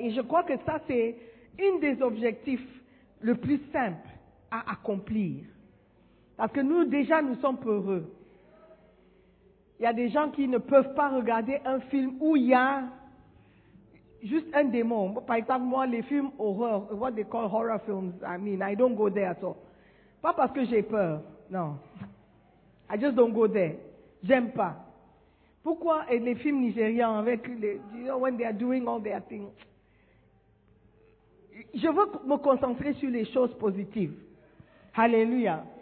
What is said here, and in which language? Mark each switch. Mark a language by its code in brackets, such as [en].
[fr] Et je crois que ça, c'est un des objectifs le plus simple à accomplir. Parce que nous, déjà, nous sommes peureux. Il y a des gens qui ne peuvent pas regarder un film où il y a juste un démon. Par exemple, moi, les films horreur, [en] what they call horror films, I mean, I don't go there at all. [fr] Pas parce que j'ai peur, non. [en] I just don't go there. [fr] J'aime pas. Pourquoi et les films nigériens avec les, [en] you know, when they are doing all their things? [fr] Je veux me concentrer sur les choses positives. Alléluia.